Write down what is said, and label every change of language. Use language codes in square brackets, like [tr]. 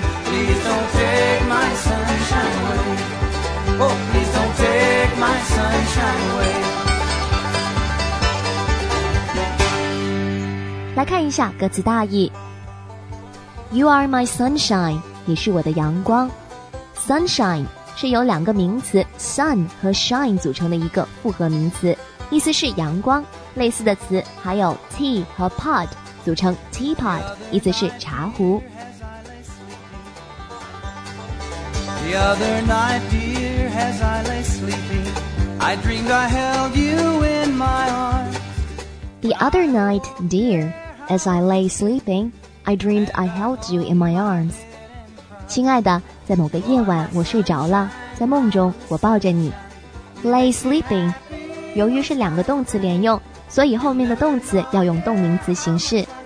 [en] Please don't take my sunshine away. Oh, please don't take my sunshine away. [zh] 来看一下歌词大意。 [en] You are my sunshine, [zh] 你是我的阳光。 Sunshine 是由两个名词 sun 和 shine 组成的一个复合名词，意思是阳光。类似的词还有 tea 和 pot 组成 teapot， 意思是茶壶。 [en] The other night, dear, as I lay sleeping, I dreamed I held you in my arms. The other night, dear,As I lay sleeping, I dreamed I held you in my arms. [zh] 亲爱的，在某个夜晚我睡着了，在梦中我抱着你。 [en] Lay sleeping, [zh] 由于是两个动词连用，所以后面的动词要用动名词形式。